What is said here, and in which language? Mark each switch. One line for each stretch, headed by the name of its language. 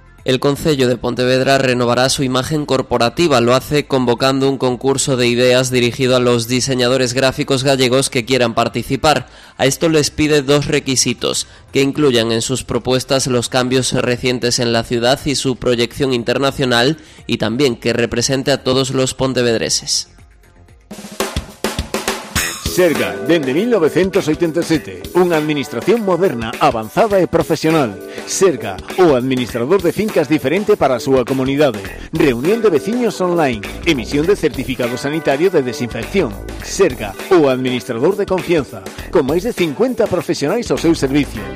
Spanish: El Concello de Pontevedra renovará su imagen corporativa, lo hace convocando un concurso de ideas dirigido a los diseñadores gráficos gallegos que quieran participar. A esto les pide 2 requisitos, que incluyan en sus propuestas los cambios recientes en la ciudad y su proyección internacional, y también que represente a todos los pontevedreses.
Galician: Serga, dende 1987, unha administración moderna, avanzada e profesional. Serga, o administrador de fincas diferente para a súa comunidade. Reunión de veciños online, emisión de certificado sanitario de desinfección. Serga, o administrador de confianza, con máis de 50 profesionais ao seu servicio.